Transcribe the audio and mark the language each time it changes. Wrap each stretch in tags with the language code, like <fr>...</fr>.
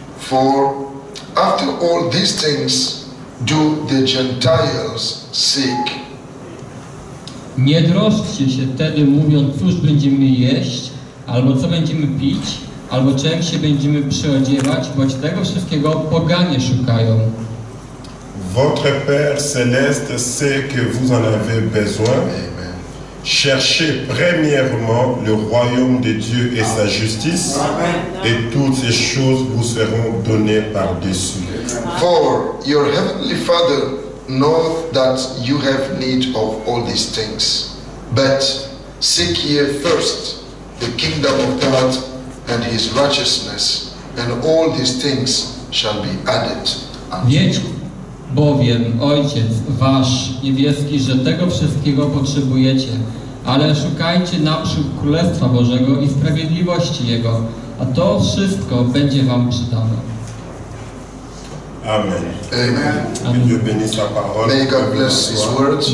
<en>For after all these things do the Gentiles seek.</en> <pl>Nie troszczcie się wtedy, mówiąc, cóż będziemy jeść, albo co będziemy pić, albo czym się będziemy przyodziewać, boć tego wszystkiego poganie szukają.</pl> <fr>Votre Père céleste sait que vous en avez besoin. Amen. Cherchez premièrement le royaume de Dieu et sa justice, et toutes ces choses vous seront données par-dessus.</fr> <en>For your heavenly Father knows that you have need of all these things. But seek ye first the kingdom of God and his righteousness, and all these things shall be added.</en> <pl>Bowiem Ojciec Wasz Niebieski, że tego wszystkiego potrzebujecie, ale szukajcie naprzód Królestwa Bożego i sprawiedliwości Jego, a to wszystko będzie wam przydane. Amen.</pl> <en>Amen. May God bless His word.</en>